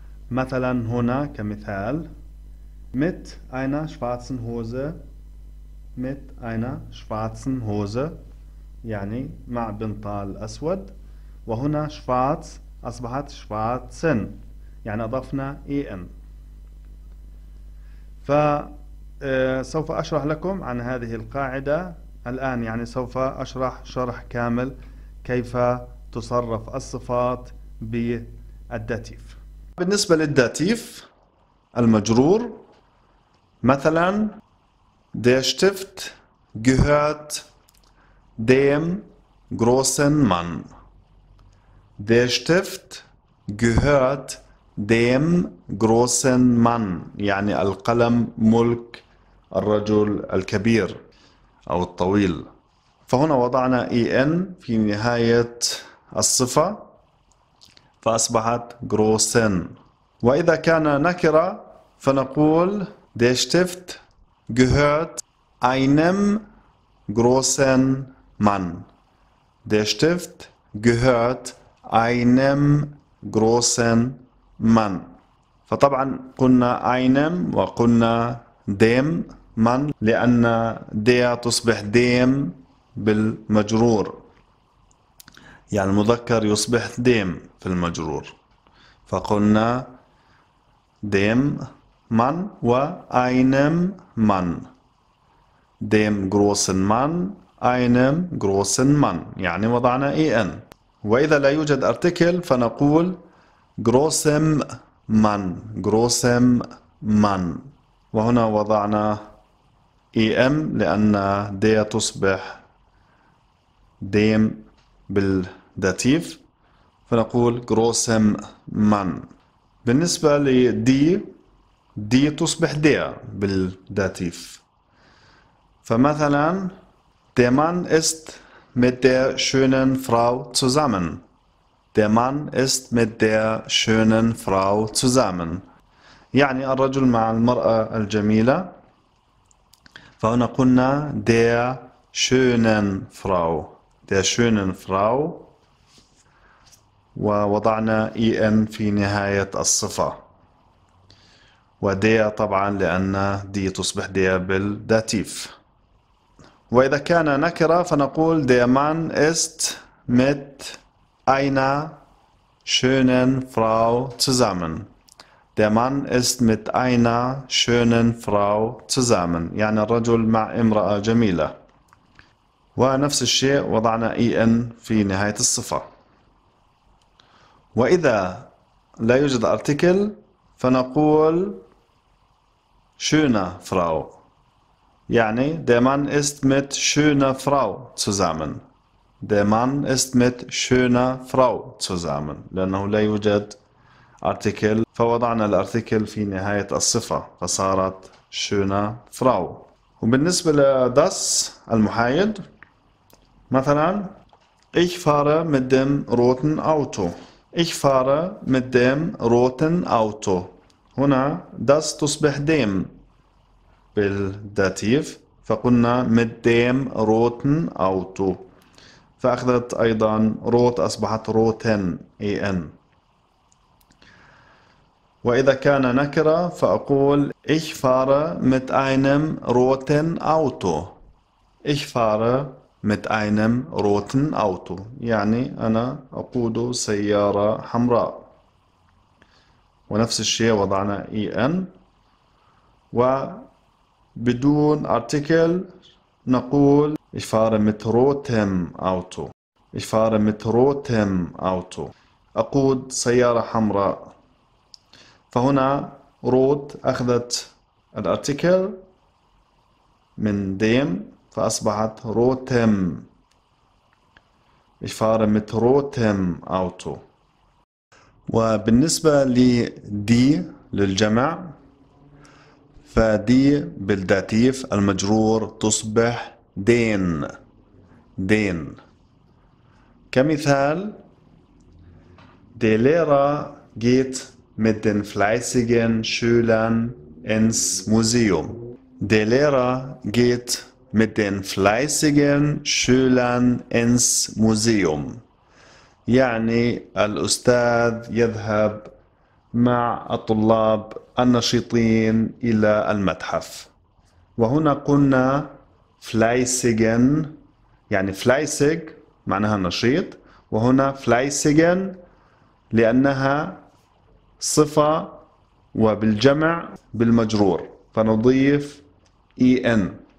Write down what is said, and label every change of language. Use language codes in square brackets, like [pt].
[ar] مثلا هنا كمثال [de] mit einer schwarzen Hose، [ar] mit einer schwarzen Hose يعني مع بنطال أسود، وهنا schwarz أصبحت schwarzen يعني أضفنا an. فسوف أشرح لكم عن هذه القاعدة الآن، يعني سوف أشرح شرح كامل كيف تصرف الصفات بالداتيف. بالنسبة للداتيف المجرور مثلا [de] Der Stift gehört dem großen Mann. Der Stift gehört dem großen Mann. [ar] يعني القلم ملك الرجل الكبير أو الطويل. فهنا وضعنا en في نهاية الصفة فأصبحت großen. وإذا كان نكرة فنقول [de] Der Stift gehört einem großen Mann. Der Stift gehört einem großen Mann. [ar] فطبعا قلنا einem وقلنا [de] dem Mann [ar] لأن der تصبح dem بالمجرور. يعني المذكر يصبح dem في المجرور. فقلنا [de] dem Mann [ar] وأينم مان. [de] Dem großen Mann, einem großen Mann. [ar] يعني وضعنا en. وإذا لا يوجد أرتكل فنقول [de] großem Mann, großem Mann. [ar] وهنا وضعنا em لأن der تصبح dem بالداتيف. فنقول [de] großem Mann. [ar] بالنسبة لدي دي تصبح der بالداتيف. فمثلا [de] Der Mann ist mit der schönen Frau zusammen. Der Mann ist mit der schönen Frau zusammen. [ar] يعني الرجل مع المرأة الجميلة. فهنا قلنا [de] Der schönen Frau. Der schönen Frau. [ar] ووضعنا en في نهاية الصفة. ودي طبعا لأن دي تصبح دي بالداتيف. وإذا كان نكرة فنقول [de] دي مان است مت أينا شونن فراو تزامن. Der Mann ist mit einer schönen Frau zusammen. [ar] يعني الرجل مع امرأة جميلة. ونفس الشيء وضعنا إن في نهاية الصفة. وإذا لا يوجد أرتكل فنقول schöne Frau. يعني [de] der Mann ist mit schöner Frau zusammen. Der Mann ist mit schöner Frau zusammen. [ar] لأنه لا يوجد أرتكل فوضعنا الأرتكل في نهاية الصفة فصارت [de] schöne Frau. [ar] وبالنسبة ل [de] das [ar] المحايد مثلا [de] Ich fahre mit dem roten Auto. Ich fahre mit dem roten Auto. [ar] هنا [de] das [ar] تصبح [de] dem [ar] بالداتيف فقلنا [de] mit dem roten Auto. [ar] فأخذت أيضا روت أصبحت روتن أي إن. وإذا كان نكرة فأقول [de] Ich fahre mit einem roten Auto. Ich fahre mit einem roten Auto. [ar] يعني أنا أقود سيارة حمراء. ونفس الشيء وضعنا إن. وبدون أرتكل نقول [de] Ich fahre mit rotem Auto. Ich fahre mit rotem Auto. [ar] أقود سيارة حمراء. فهنا روت أخذت الأرتيكل من ديم فأصبحت روتم. [de] Ich fahre mit rotem Auto. [ar] وبالنسبة لدي للجمع فدي بالداتيف المجرور تصبح دين. دين كمثال [de] دي ليرا جيت mit den fleißigen Schülern ins Museum. Der Lehrer geht mit den fleißigen Schülern ins Museum. [ar] يعني الأستاذ يذهب مع الطلاب النشيطين إلى المتحف. وهنا قلنا fleißigen يعني fleißig معناها نشيط وهنا fleißigen لأنها صفة وبالجمع بالمجرور فنضيف إن.